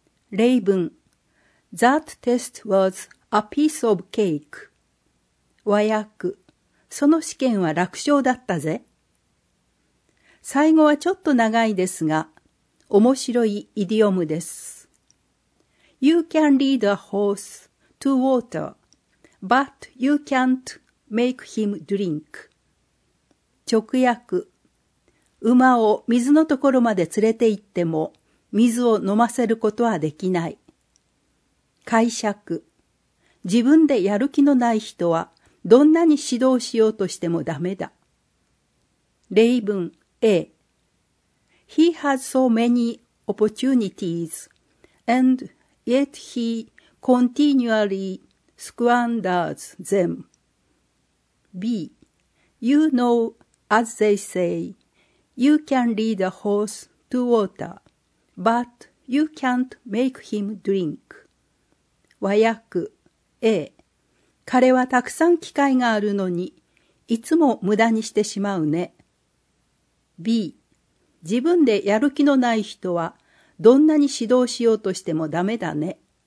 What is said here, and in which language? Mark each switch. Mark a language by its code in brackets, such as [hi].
[en] 例文 That test was a piece of cake. [ja] 和訳その試験は楽勝だったぜ。最後はちょっと長いですが、面白いイディオムです。 [en] You can lead a horse to water, but you can't make him drink. [ja] 直訳馬を水のところまで連れて行っても、水を飲ませることはできない。解釈、自分でやる気のない人はどんなに指導しようとしてもダメだ。 [en] 例文 A He has so many opportunities and yet he continually squanders them. B You know, as they say, you can lead a horse to water. But you can't make him drink. [ja] 和訳 A 彼はたくさん機会があるのに、いつも無駄にしてしまうね。 B 自分でやる気のない人は、どんなに指導しようとしてもダメだね。